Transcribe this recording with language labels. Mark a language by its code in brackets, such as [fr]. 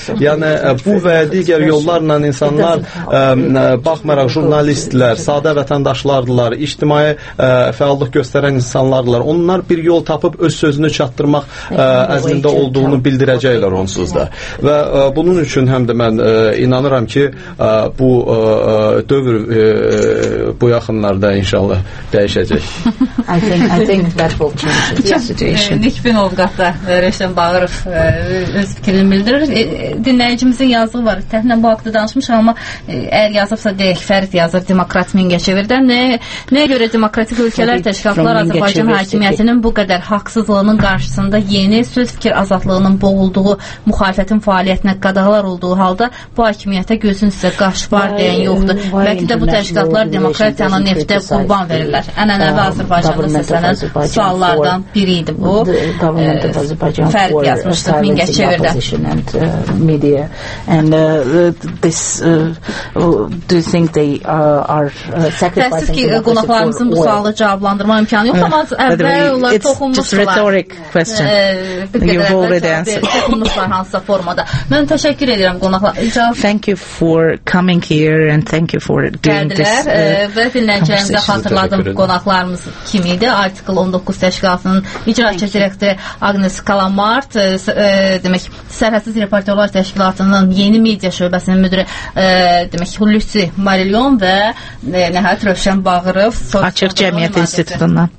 [az] Yəni bu və digər yollarla insanlar baxmayaraq jurnalistlər, sadə vətəndaşlardırlar, ictimai fəallıq göstərən insanlardırlar. Onlar bir yol tapıb öz sözünü çatdırmaq əzmində olduğunu bildirəcəklər onsuz da. Və bunun üçün həm də mən inanıram ki, bu dövr bu yaxınlarda inşallah dəyişəcək. [en] I think that will change the situation. [az] Nikbin Olqatda Rövşən Bağırov öz fikrini bildirir. Dinləyicimizin yazığı var. Təxminən bu haqda danışmışam, amma əgər yazıbsa deyək, Fərid yazır Demokrat Mingəçevirdən. Nəyə görə demokratik ölkələr, təşkilatlar Azərbaycan hakimiyyətinin bu qədər haqsızlığının qarşısında yeni söz fikir azadlığının boğulduğu, müxalifətin fəaliyyətinə qadağalar olduğu halda bu hakimiyyətə gözün sizə qaş var deyən yoxdur. Bəlkə də bu təşkilatlar demokratiyanın neftə qurban verirlər. Ənənəvi Azərbaycanlı səslənən suallardan biri idi bu. Fərd yazmışdı Mingəçevirdə. [en] Media and this do you think they are sacrificing? [az] Təəssüf ki, qonaqlarımızın bu sualı cavablandırma imkanı yox, amma əvvəl onlar toxunmuşdular. [en] It's just rhetoric question. You've already answered. [az] Toxunmuşlar hansısa formada. Mən təşəkkür edirəm qonaqlar. [en] Thank you. for coming here and thank you for doing this. [az] Ve dinleyicilerimize hatırladım qonaqlarımız kim idi. Artikel 19 təşkilatının icraçı direktoru Agnes Kalamart, demək, Sərhədsiz Reportyorlar Təşkilatının yeni media şöbəsinin müdürü, demək, Hulusi Marilyon və nəhayət Rövşən Bağırov. Açıq Cəmiyyət İnstitutundan.